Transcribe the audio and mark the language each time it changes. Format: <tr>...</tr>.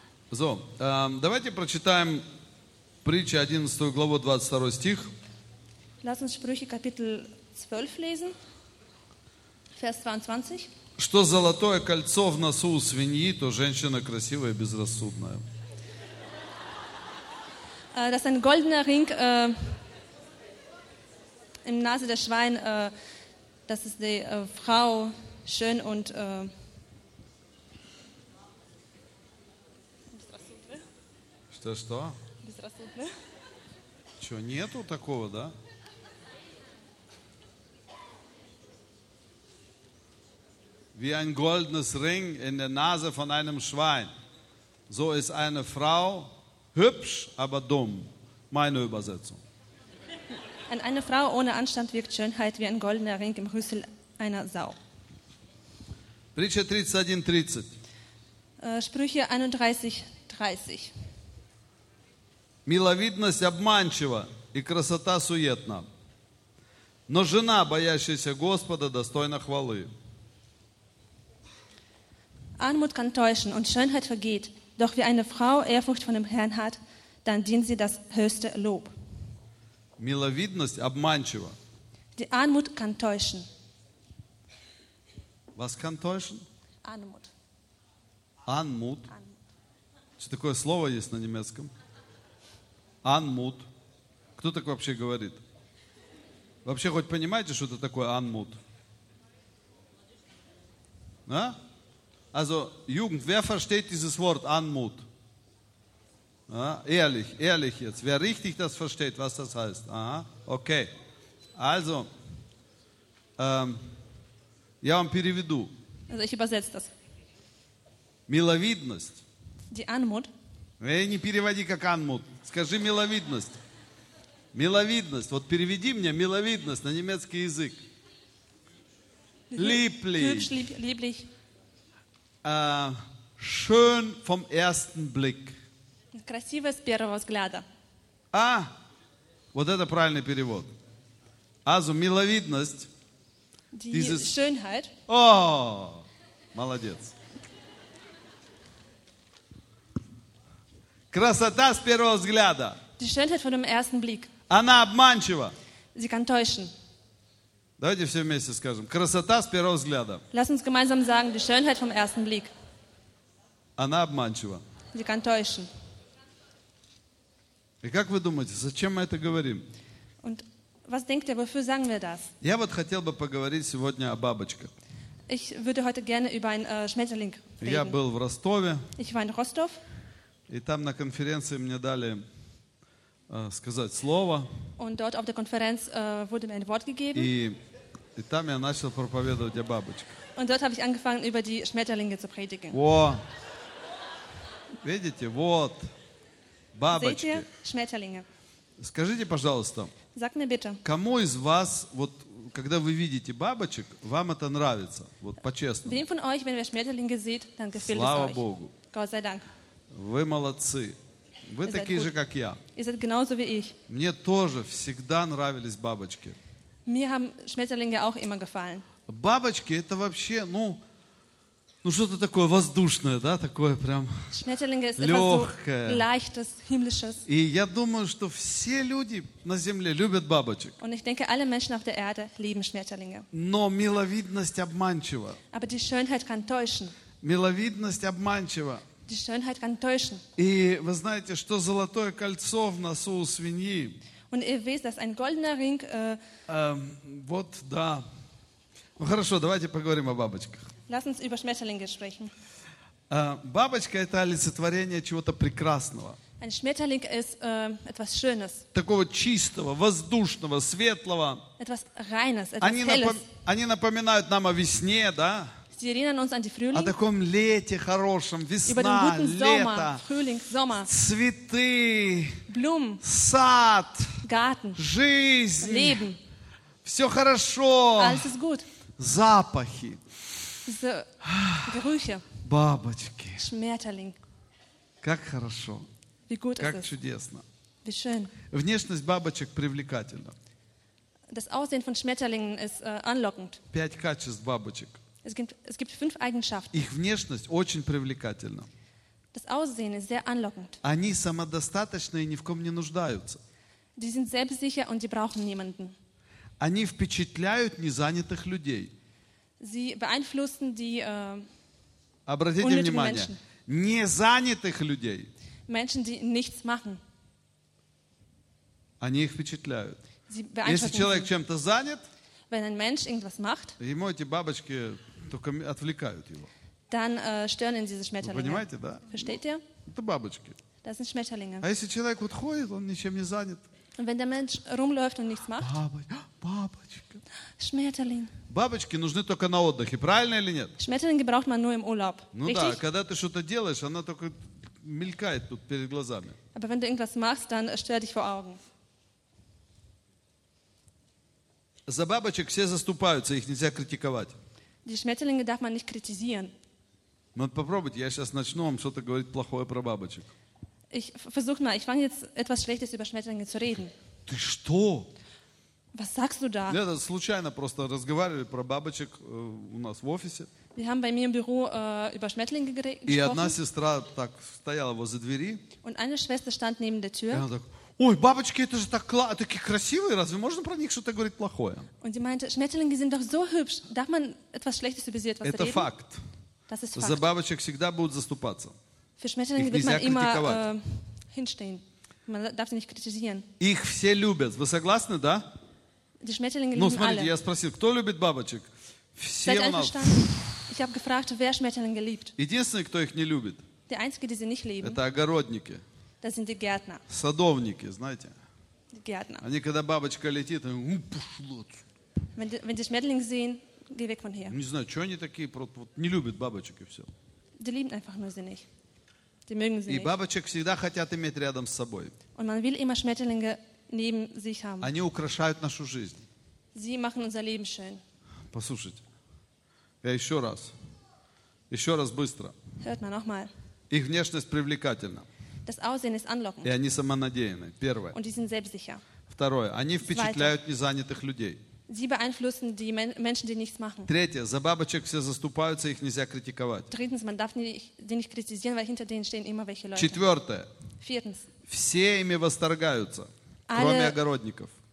<ru>So, давайте прочитаем притчи 11 главу 22 стих.</ru> <de>Lass uns Sprüche Kapitel 12 lesen. Vers 22.</de> <ru>Что золотое кольцо в носу у свиньи, то женщина красивая и безрассудная.</ru> <de>Dass ein goldener Ring im Nase der Schwein, das ist die Frau schön und</de> <ru>Что? Безрассудная. Что, нету такого, да?</ru> <de>Wie ein goldenes Ring in der Nase von einem Schwein. So ist eine Frau hübsch, aber dumm. Meine Übersetzung. Eine Frau ohne Anstand wirkt Schönheit wie ein goldener Ring im Rüssel einer Sau. Sprüche 31:30. Sprüche 31:30.</de> <ru>Миловидность обманчива и красота суетна. Но жена, боящаяся Господа, достойна хвалы.</ru> <de>Armut kann täuschen und Schönheit vergeht, doch wie eine Frau Ehrfurcht von dem Herrn hat, dann dient sie das höchste Lob.</de> <ru>Миловидность обманчива.</ru> <de>Die Armut kann täuschen. Was kann täuschen? Armut. Anmut. Anmut.</de> <ru>Что такое слово есть на немецком? Anmut. Кто так вообще говорит? Вообще хоть понимаете, что это такое Anmut? Да?</ru> <de>Also, Jugend, wer versteht dieses Wort Anmut? Ja, ehrlich, ehrlich jetzt. Wer richtig das versteht, was das heißt? Aha, okay.</de> <ru>Also, я вам переведу.</ru> <de>Also, ich übersetze das.</de> <ru>Миловидность.</ru> <de>Die Anmut.</de> <ru>Не переводи как Anmut. Скажи миловидность. Миловидность. Вот переведи мне миловидность на немецкий язык.</ru> <de>Lieblich. Lieblich. Schön vom ersten Blick.</de> <ru>Красиво с первого взгляда. А, вот это правильный перевод. Also, миловидность.</ru> <de>Die dieses... Schönheit.</de> <ru>О, молодец. Красота с первого взгляда.</ru> <de>Die Schönheit von dem ersten Blick.</de> <ru>Она обманчива.</ru> <de>Sie kann täuschen.</de> <ru>Давайте все вместе скажем. Красота с первого взгляда.</ru> <de>Lass uns gemeinsam sagen, die Schönheit vom ersten Blick.</de> <ru>Она обманчива.</ru> <de>Sie kann täuschen.</de> <ru>И как вы думаете, зачем мы это говорим?</ru> <de>Und was denkt ihr, wofür sagen wir das?</de> <ru>Я вот хотел бы поговорить сегодня о бабочках.</ru> <de>Ich würde heute gerne über einen Schmetterling reden.</de> <ru>Я был в Ростове.</ru> <de>Ich war in Rostov.</de> <ru>И там на конференции мне дали сказать слово.</ru> <de>Und dort auf der Konferenz wurde mir ein Wort gegeben.</de> <ru>И там я начал проповедовать о бабочках.</ru> <de>Und dort habe ich angefangen, über die Schmetterlinge zu predigen.</de> <ru>Во. Видите, вот бабочки.</ru> <de>Seht ihr? Schmetterlinge.</de> <ru>Скажите, пожалуйста.</ru> <de>Sag mir bitte.</de> <ru>Кому из вас, вот когда вы видите бабочек, вам это нравится? Вот по-честному.</ru> <de>Wem von euch, wenn ihr Schmetterlinge seht, dann gefällt</de> <ru>Слава</ru> <de>es euch.</de> <ru>Богу.</ru> <de>Gott sei Dank.</de> <ru>Вы молодцы. Вы такие же, как я.</ru> <de>Ihr seid genauso wie ich.</de> <ru>Мне тоже всегда нравились бабочки.</ru> <de>Mir haben Schmetterlinge auch immer gefallen.</de> <ru>Бабочки это вообще, ну что-то такое воздушное, да, такое прям</ru> <de>Schmetterlinge ist</de> <ru>легкое.</ru> <de>Etwas so leichtes, himmlisches.</de> <ru>И я думаю, что все люди на земле любят бабочек.</ru> <de>Und ich denke, alle Menschen auf der Erde lieben Schmetterlinge.</de> <ru>Но миловидность обманчива.</ru> <de>Aber die Schönheit kann täuschen.</de> <ru>Миловидность обманчива.</ru> <de>Die Schönheit kann täuschen.</de> <ru>И вы знаете, что золотое кольцо в носу у свиньи.</ru> <de>Und ihr wisst, dass ein goldener Ring.</de> <ru>Вот да. Ну хорошо, давайте поговорим о бабочках.</ru> <de>Lass uns über Schmetterlinge sprechen.</de> <ru>Бабочка это олицетворение чего-то прекрасного.</ru> <de>Ein Schmetterling ist etwas Schönes.</de> <ru>Такого чистого, воздушного, светлого.</ru> <de>Etwas Reines, etwas они Helles.</de> <ru>Они напоминают нам о весне, да?</ru> <de>Sie erinnern uns an die Frühling.</de> <ru>О таком лете хорошем, весна, лето,</ru> <de>Frühling, Sommer,</de> <ru>цветы,</ru> <de>Blumen,</de> <ru>сад,</ru> <de>Garten,</de> <ru>жизнь,</ru> <de>Leben.</de> <ru>Все хорошо,</ru> <de>alles ist gut.</de> <ru>Запахи,</ru> <de>Gerüche,</de> <ru>бабочки,</ru> <de>Schmetterling.</de> <ru>Как хорошо,</ru> <de>wie gut</de> <ru>как</ru> <de>ist</de> <ru>чудесно.</ru> <de>Wie schön.</de> <ru>Внешность бабочек привлекательна.</ru> <de>Das Aussehen von Schmetterlingen ist anlockend.</de> <ru>Пять качеств бабочек.</ru> <de>Es gibt fünf Eigenschaften.</de> <ru>Их внешность очень привлекательна.</ru> <de>Das Aussehen ist sehr anlockend.</de> <ru>Они самодостаточны и ни в ком не нуждаются.</ru> <de>Die sind selbstsicher und die brauchen niemanden.</de> <ru>Они впечатляют незанятых людей.</ru> <de>Sie beeinflussen die</de> <ru>Обратите внимание, Menschen. Незанятых людей.</ru> <de>Menschen, die nichts machen.</de> <ru>Они их впечатляют.</ru> <de>Sie beeinflussen</de> <ru>Если человек</ru> <de>sie.</de> <ru>Чем-то занят,</ru> <de>Wenn ein Mensch irgendwas macht,</de> <ru>ему эти бабочки только отвлекают его.</ru> <de>Dann stören ihn diese Schmetterlinge.</de> <ru>Вы понимаете, да?</ru> <de>Versteht ihr?</de> <ru>Это бабочки.</ru> <de>Das sind Schmetterlinge.</de> <ru>А если человек вот ходит, он ничем не занят.</ru> <de>Und wenn der Mensch rumläuft und nichts macht.</de> <ru>Бабочка.</ru> <de>Schmetterling.</de> <ru>Бабочки нужны только на отдыхе, правильно или нет?</ru> <de>Schmetterlinge braucht man nur im Urlaub.</de> <ru>Ну да, когда ты что-то делаешь, она только мелькает тут перед глазами.</ru> <de>Aber wenn du irgendwas machst, dann stört dich vor Augen.</de> <ru>За бабочек все заступаются, их нельзя критиковать.</ru> <de>Die Schmetterlinge darf man nicht kritisieren.</de> <ru>Вот попробуйте, я сейчас начну вам что-то говорить плохое про бабочек.</ru> <de>Ich versuche mal, ich fange jetzt etwas Schlechtes über Schmetterlinge zu reden.</de> <ru>Ты что?</ru> <de>Was sagst du da? Ja, das</de> <ru>случайно просто разговаривали про бабочек у нас в офисе.</ru> <de>Wir haben bei mir im Büro über Schmetterlinge gesprochen.</de> <ru>И одна сестра так стояла возле двери.</ru> <de>Und eine Schwester stand neben der Tür.</de> <ru>Она так, ой, бабочки, это же так такие красивые, разве можно про них что-то говорить плохое?</ru> <de>Und sie meinte, Schmetterlinge sind doch so hübsch, darf man etwas Schlechtes über sie etwas</de> <ru>это Это факт.</ru> <de>Das ist</de> <ru>За бабочек всегда будут заступаться.</ru> <de>Für Schmetterlinge wird man immer hinstehen. Man darf sie nicht kritisieren.</de> <ru>Их все любят. Вы согласны, да?</ru> <de>Die Schmetterlinge</de> <ru>ну,</ru> <de>lieben</de> <ru>смотрите,</ru> <de>alle.</de> <ru>Я спросил, кто любит бабочек? Все у нас.</ru> <de>Ich habe gefragt, wer Schmetterlinge liebt.</de> <ru>Единственный, кто их не любит.</ru> <de>Der einzige, die sie nicht lieben.</de> <ru>Это огородники.</ru> <de>Das sind die Gärtner.</de> <ru>Садовники, знаете.</ru> <de>Die Gärtner.</de> <ru>Они, когда бабочка летит, они, пошло.</ru> <de>Wenn die Schmetterlinge sehen, geh weg von hier.</de> <ru>Не знаю, что они такие, просто вот, не любят бабочек и все.</ru> <de>Die lieben einfach nur sie nicht. Die mögen sie</de> <ru>и</ru> <de>nicht.</de> <ru>Бабочек всегда хотят иметь рядом с собой.</ru> <de>Und man will immer Schmetterlinge neben sich haben.</de> <ru>Они украшают нашу жизнь.</ru> <de>Sie machen unser Leben schön.</de> <ru>Послушайте, я еще раз быстро.</ru> <de>Hört man noch mal.</de> <ru>Их внешность привлекательна.</ru> <de>Das Aussehen ist anlockend.</de> <ru>И они самонадеянны. Первое.</ru> <de>Und die sind selbstsicher.</de> <ru>Второе. Они впечатляют незанятых людей.</ru> <de>Sie beeinflussen die Menschen, die nichts machen.</de> <ru>Третье. За бабочек все заступаются, их нельзя критиковать.</ru> <de>Drittens, man darf die nicht kritisieren, weil hinter denen stehen immer welche Leute.</de> <ru>Четвертое.</ru> <de>Viertens.</de> <ru>Все ими восторгаются, кроме огородников.</ru>